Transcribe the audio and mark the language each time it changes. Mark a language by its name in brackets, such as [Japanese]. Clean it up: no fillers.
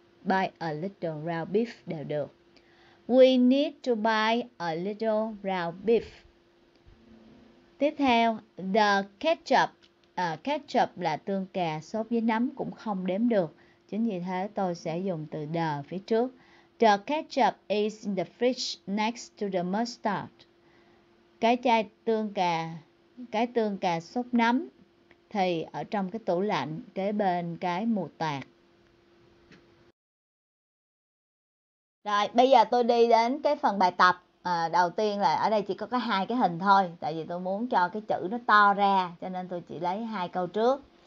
[English] Buy a little round beef [Vietnamese] đều được. [English] We need to buy a little round beef. [Vietnamese] Tiếp theo, the ketchup. Ketchup là tương cà sốt với nấm cũng không đếm được. Chính vì thế tôi sẽ dùng từ the phía trước. [English] The ketchup is in the fridge next to the mustard. [Vietnamese] Cái chai tương cà, cái tương cà sốt nấm thì ở trong cái tủ lạnh kế bên cái mù tạt. Rồi, bây giờ tôi đi đến cái phần bài tập. Đầu tiên là ở đây chỉ có hai cái hình thôi, tại vì tôi muốn cho cái chữ nó to ra, cho nên tôi chỉ lấy hai câu trước.